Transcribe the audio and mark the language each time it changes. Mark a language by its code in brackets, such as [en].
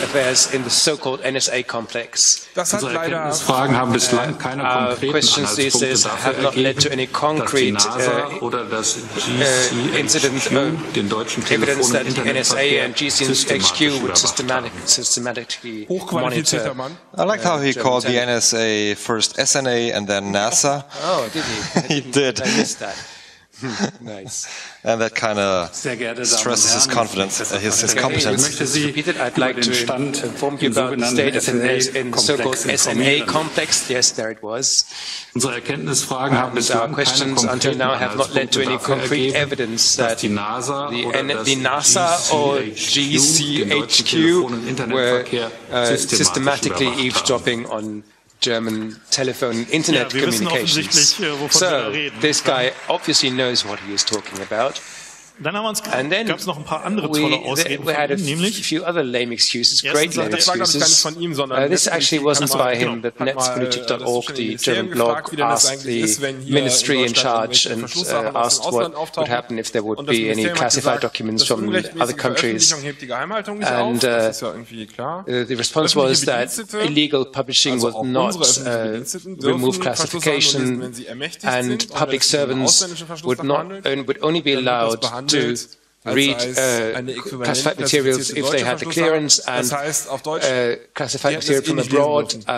[de] Das hat unsere Erkenntnisfragen haben bislang keine konkreten Anhaltspunkte dafür ergeben, dass die NASA oder das GCHQ den deutschen Telefon- und Internetverkehr systematisch [en] monitor. I like how he called the NSA first SNA and then NASA. Oh, did he? He did. I missed that. Nice. And that kind of stresses his confidence, his competence. I'd like to inform you about the state of the so-called SNA complex. Yes, there it was. [de] Unsere Erkenntnisfragen haben bislang keine konkreten Anhaltspunkte dafür ergeben, dass die NASA GCHQ [en] systematically eavesdropping on German telephone internet communications. So this guy obviously knows what he is talking about. [de] Dann haben wir uns gab es noch ein paar andere tolle Ausreden von ihm, nämlich [en] few other lame excuses, great lame excuses. [de] Das war gar nicht von ihm, sondern [en] this actually wasn't by him, but netzpolitik.org, the German blog, asked the ministry in charge and asked what would happen if there would be any classified documents from other countries. And the response was that illegal publishing would not remove classification and public servants would only be allowed to read classified materials if they had the clearance, and classified material from abroad